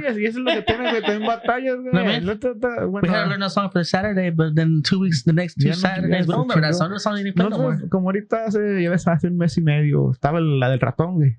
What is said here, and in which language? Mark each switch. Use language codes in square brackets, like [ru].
[es] Y eso es lo que tienen que tener batallas, güey. [en] We had to learn a song for Saturday, but then the next two Saturdays, we don't remember that song. The song didn't play no more. [es] Como ahorita hace un mes y medio, estaba la del ratón, güey.